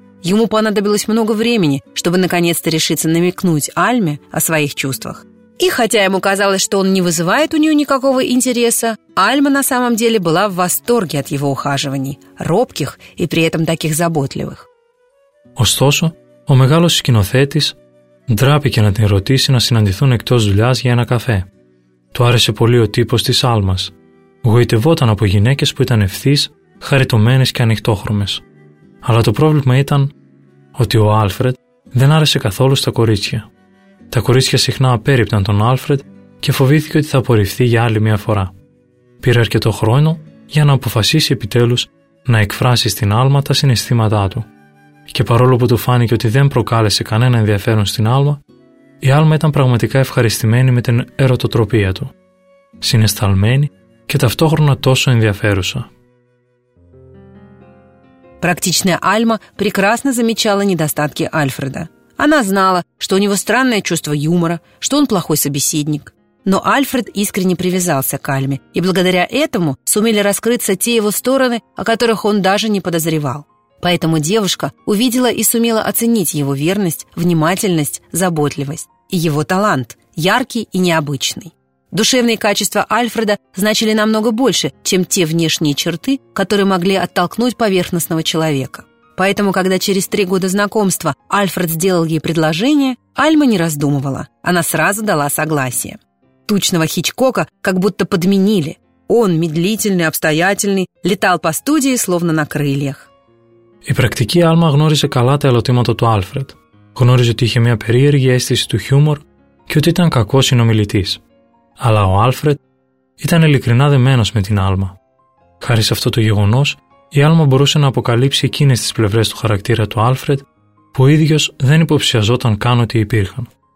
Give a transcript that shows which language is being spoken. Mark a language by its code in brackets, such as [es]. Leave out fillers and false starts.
[ru] Ему понадобилось много времени, чтобы наконец-то решиться намекнуть Альме о своих чувствах. И хотя ему казалось, что он не вызывает у нее никакого интереса, Альма на самом деле была в восторге от его ухаживаний, робких и при этом таких заботливых. [el] Ωστόσο, ο μεγάλος σκηνοθέτης ντράπηκε να την ρωτήσει να συναντηθούν εκτός δουλειάς για ένα καφέ. Του άρεσε πολύ ο τύπος της Άλμας. Γοητευόταν από γυναίκες που ήταν ευθύς, χαριτωμένες και ανοιχτόχρωμες. Αλλά το πρόβλημα ήταν ότι ο Άλφρεντ δεν άρεσε καθόλου στα κορίτσια. Τα κορίτσια συχνά απέρριπταν τον Άλφρεντ και φοβήθηκε ότι θα απορριφθεί για άλλη μια φορά. Πήρε αρκετό χρόνο για να αποφασίσει επιτέλους να εκφράσει στην Άλμα τα συναισθήματά του. Και παρόλο που του φάνηκε ότι δεν προκάλεσε κανένα ενδιαφέρον στην Άλμα, η Άλμα ήταν πραγματικά ευχαριστημένη με την ερωτοτροπία του. Συναισθαλμένη και ταυτόχρονα τόσο ενδιαφέρουσα. [ru] Практичная Альма прекрасно замечала недостатки Альфреда. Она знала, что у него странное чувство юмора, что он плохой собеседник. Но Альфред искренне привязался к Альме, и благодаря этому сумели раскрыться те его стороны, о которых он даже не подозревал. Поэтому девушка увидела и сумела оценить его верность, внимательность, заботливость и его талант, яркий и необычный. Душевные качества Альфреда значили намного больше, чем те внешние черты, которые могли оттолкнуть поверхностного человека. Поэтому, когда через 3 года знакомства Альфред сделал ей предложение, Альма не раздумывала. Она сразу дала согласие. Тучного Хичкока как будто подменили. Он, медлительный, обстоятельный, летал по студии, словно на крыльях. [el] Η практике Альма γνώριζε καλά τα ελωτήματα του Альфред. Γνώριζε ότι είχε μια περίεργη αίσθηση του χιούμορ και ότι ήταν κακός συνομιλητής. Αλλά ο Άλφρεντ ήταν ειλικρινά δεμένος με την Άλμα. Χάρη σε αυτό το γεγονός, η Άλμα μπορούσε να αποκαλύψει εκείνες τις πλευρές του χαρακτήρα του Άλφρεντ που ο ίδιος δεν υποψιαζόταν καν ότι υπήρχαν.